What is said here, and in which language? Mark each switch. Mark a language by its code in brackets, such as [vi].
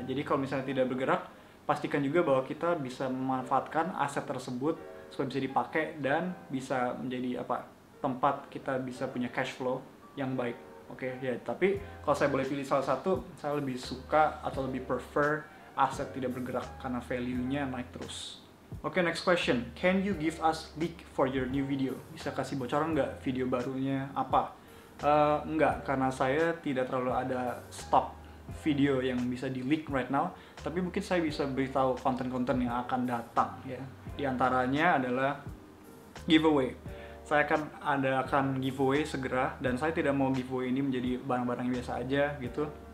[id] Jadi kalau misalnya tidak bergerak, pastikan juga bahwa kita bisa memanfaatkan aset tersebut supaya bisa dipakai dan bisa menjadi apa, tempat kita bisa punya cash flow yang baik. Oke, ya, tapi kalau saya boleh pilih salah satu, saya lebih suka atau lebih prefer aset tidak bergerak karena value-nya naik terus. [en] Oke, okay, next question. Can you give us leak for your new video? [id] Bisa kasih bocoran nggak video barunya apa? Nggak, karena saya tidak terlalu ada stock video yang bisa di leak [en] right now. [id] Tapi mungkin saya bisa beritahu konten-konten yang akan datang ya. Di antaranya adalah giveaway. Saya akan ada akan giveaway segera, dan saya tidak mau giveaway ini menjadi barang-barang yang biasa aja gitu.